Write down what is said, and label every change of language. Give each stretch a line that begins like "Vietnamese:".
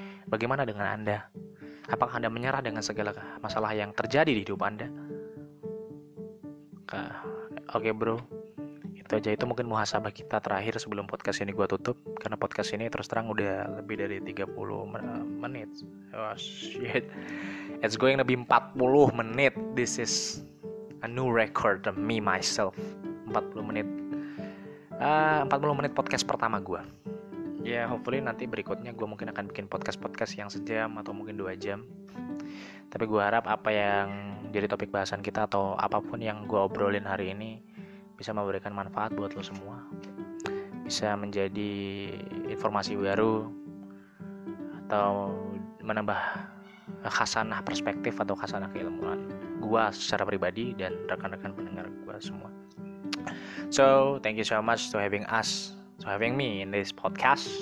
Indonesian: Bagaimana dengan Anda? Apakah Anda menyerah dengan segala masalah yang terjadi di hidup Anda? Oke, bro. Itu aja. Itu mungkin muhasabah kita terakhir sebelum podcast ini gue tutup. Karena podcast ini terus terang udah lebih dari 30 menit.
English: Oh, shit. It's going to be 40 menit. This is a new record of me, myself.
Indonesian: 40 menit. 40 menit podcast pertama gue. Ya, hopefully nanti berikutnya gue mungkin akan bikin podcast-podcast yang sejam atau mungkin 2 jam. Tapi gue harap apa yang jadi topik bahasan kita atau apapun yang gue obrolin hari ini bisa memberikan manfaat buat lo semua, bisa menjadi informasi baru atau menambah khasanah perspektif atau khasanah keilmuan. gua secara pribadi dan rekan-rekan pendengar gua semua.
English: So, thank you so much to having us, to having me in this podcast.